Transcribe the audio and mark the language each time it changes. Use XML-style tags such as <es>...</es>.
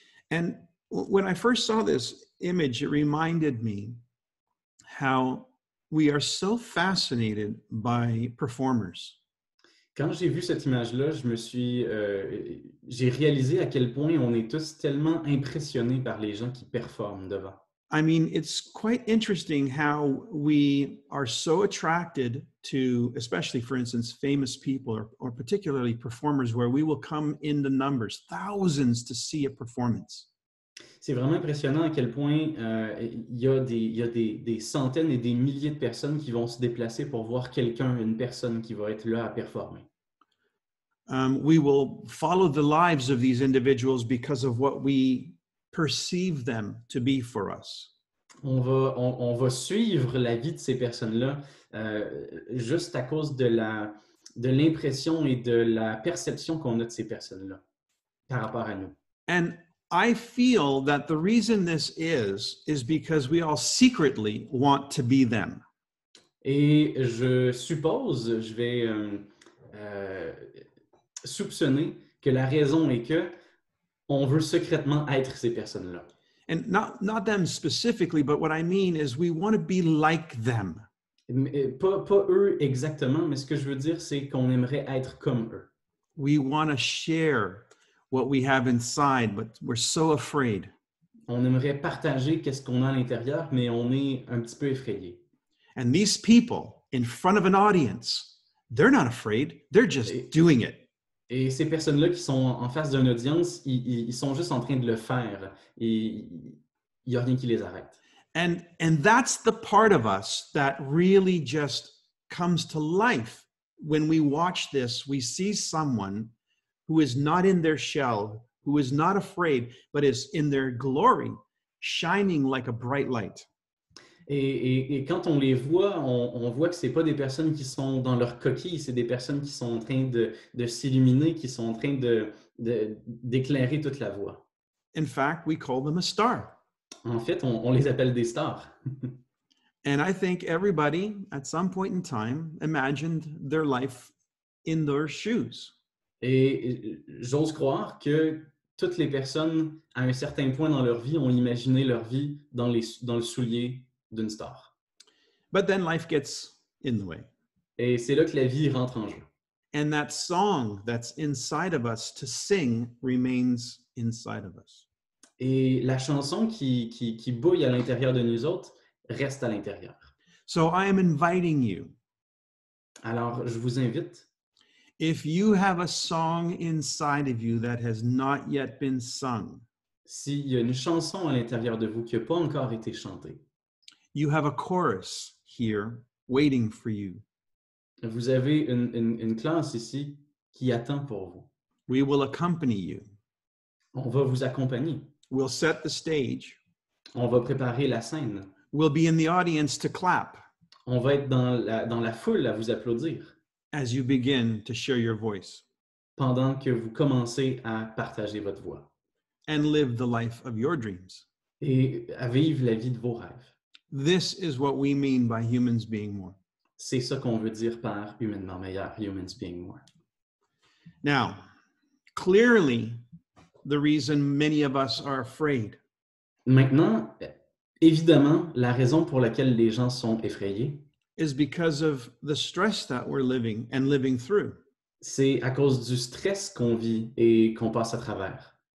<en>And when I first saw this image, it reminded me how we are so fascinated by performers.</en> <fr>Quand j'ai vu cette image-là, j'ai réalisé à quel point on est tous tellement impressionnés par les gens qui performent devant.</fr> <en>I mean, it's quite interesting how we are so attracted to, especially, for instance, famous people or particularly performers, where we will come in the numbers, thousands, to see a performance.</en> <fr>C'est vraiment impressionnant à quel point il y a des centaines et des milliers de personnes qui vont se déplacer pour voir quelqu'un, une personne qui va être là à performer.</fr> <en>We will follow the lives of these individuals because of what we perceive them to be for us.</en> <fr>On va suivre la vie de ces personnes-là juste à cause de l'impression et de la perception qu'on a de ces personnes-là par rapport à nous.</fr> <en>And I feel that the reason this is because we all secretly want to be them.</en> <fr>Et je suppose, je vais soupçonner que la raison est que on veut secrètement être ces personnes-là.</fr> <en>And not them specifically, but what I mean is we want to be like them.</en> <fr>Pas eux exactement, mais ce que je veux dire, c'est qu'on aimerait être comme eux.</fr> <en>We want to share what we have inside, but we're so afraid.</en> <fr>On aimerait partager qu'est-ce qu'on a à l'intérieur, mais on est un petit peu effrayé.</fr> <en>And these people in front of an audience, they're not afraid, they're just doing it.</en> <fr>Et ces personnes-là qui sont en face d'une audience, ils sont juste en train de le faire. Et il n'y a rien qui les arrête.</fr> <en>And that's the part of us that really just comes to life when we watch this. We see someone who is not in their shell, who is not afraid, but is in their glory, shining like a bright light.</en> <fr>Et quand on les voit, on voit que ce n'est pas des personnes qui sont dans leur coquille, c'est des personnes qui sont en train de s'illuminer, qui sont en train d'éclairer toute la voie.</fr> <en>In fact, we call them a star.</en> <fr>En fait, on les appelle des stars.</fr> <en>And I think everybody, at some point in time, imagined their life in their shoes.</en> <fr>Et j'ose croire que toutes les personnes, à un certain point dans leur vie, ont imaginé leur vie dans le soulier d'une star.</fr> <en>But then life gets in the way.</en> <fr>Et c'est là que la vie rentre en jeu.</fr> <en>And that song that's inside of us to sing remains inside of us.</en> <fr>Et la chanson qui bouille à l'intérieur de nous autres reste à l'intérieur.</fr> <en>So I am inviting you.</en> <fr>Alors, je vous invite.</fr> <en>If you have a song inside of you that has not yet been sung,</en> <fr>s'il y a une chanson à l'intérieur de vous qui n'a pas encore été chantée,</fr> <en>you have a chorus here waiting for you.</en> <fr>Vous avez une classe ici qui attend pour vous.</fr> <en>We will accompany you.</en> <fr>On va vous accompagner.</fr> <en>We'll set the stage.</en> <fr>On va préparer la scène.</fr> <en>We'll be in the audience to clap.</en> <fr>On va être dans la foule à vous applaudir.</fr> <en>As you begin to share your voice.</en> <fr>Pendant que vous commencez à partager votre voix.</fr> <en>And live the life of your dreams.</en> <fr>Et à vivre la vie de vos rêves.</fr> <en>This is what we mean by humans being more.</en> <fr>C'est ça qu'on veut dire par humainement meilleur,</fr> <en>humans being more. Now, clearly, the reason many of us are afraid.</en> <fr>Maintenant, évidemment, la raison pour laquelle les gens sont effrayés</fr> <en>is because of the stress that we're living and living through.</en> <fr>C'est à cause du stress qu'on vit et qu'on passe à travers.</fr>